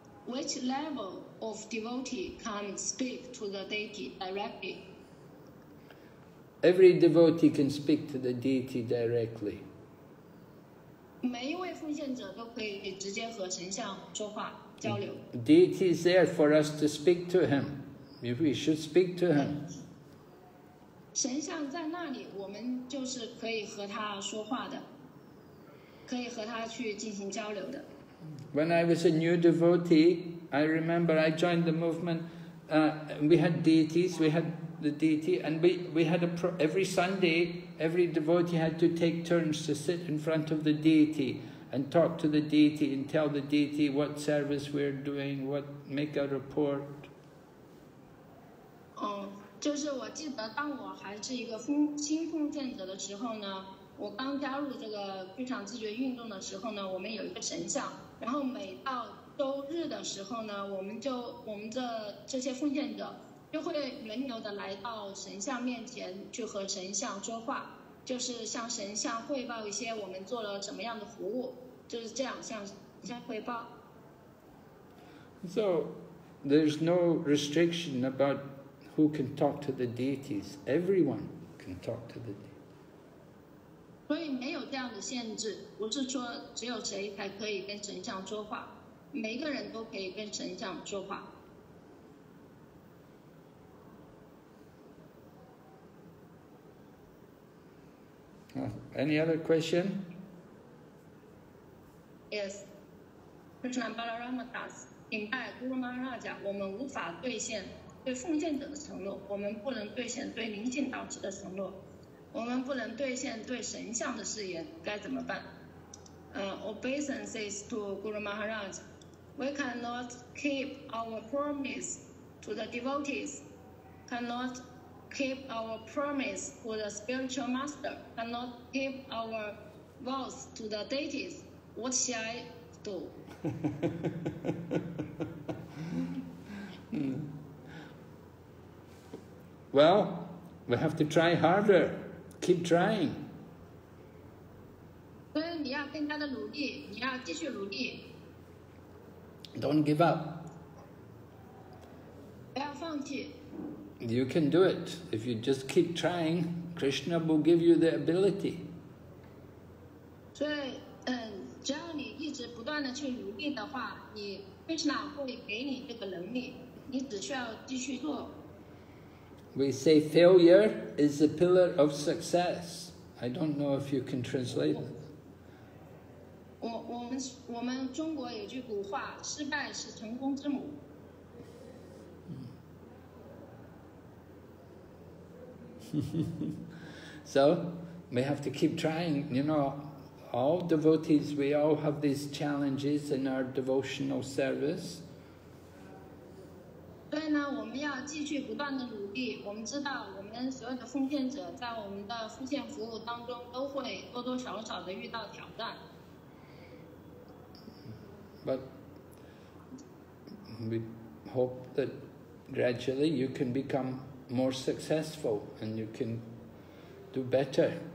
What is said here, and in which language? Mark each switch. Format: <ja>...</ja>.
<en>which level of devotee can speak to the deity directly? Every devotee can speak to the deity directly.</en> <zh>每一位奉献者都可以直接和神像说话交流。</zh> <en>Deity is there for us to speak to him. Maybe we should speak to him.</en> <zh>神像在那里，我们就是可以和他说话的，可以和他去进行交流的。</zh> <en>When I was a new devotee, I remember I joined the movement. We had deities. We had the deity, and we had every Sunday. Every devotee had to take turns to sit in front of the deity and talk to the deity and tell the deity what service we're doing, what make a report.</en> <zh>就是我记得，当我还是一个新奉献者的时候呢。我刚加入这个非常自觉运动的时候呢，我们有一个神像，然后每到周日的时候呢，我们这些奉献者就会轮流的来到神像面前去和神像说话，就是向神像汇报一些我们做了怎么样的服务，就是这样向神像汇报。</zh> <en>So there's no restriction about who can talk to the deities. Everyone can talk to the deities.</en> <zh>所以没有这样的限制，不是说只有谁才可以跟神像说话，每个人都可以跟神像说话。</zh> <en>Any other question? Yes.</en> <zh>Krishna Balarama Das, 请拜 Guru Maharaj, 我们无法兑现对奉献者的承诺，我们不能兑现对灵性导师的承诺。我们不能兑现对神像的誓言，该怎么办？</zh> <en>Obeisances to Guru Maharaj. We cannot keep our promise to the devotees, cannot keep our promise to the spiritual master, cannot keep our vows to the deities. What shall I do? Well, we have to try harder. Keep trying.</en> <zh>所以你要更加的努力，你要继续努力。</zh> <en>Don't give up.</en> <zh>不要放弃。</zh> <en>You can do it. If you just keep trying, Krishna will give you the ability.</en> <zh>所以，只要你一直不断的去努力的话，你 Krishna 会给你这个能力，你只需要继续做。</zh> <en>We say failure is the pillar of success. I don't know if you can translate it.</en> <zh>我们中国有句古话，失败是成功之母。</zh> <en>So we have to keep trying. You know, all devotees, we all have these challenges in our devotional service.</en> <zh>所以呢，我们要继续不断的努力。我们知道，我们所有的奉献者在我们的奉献服务当中都会多多少少的遇到挑战。</zh> <en>But we hope that gradually you can become more successful and you can do better.</en>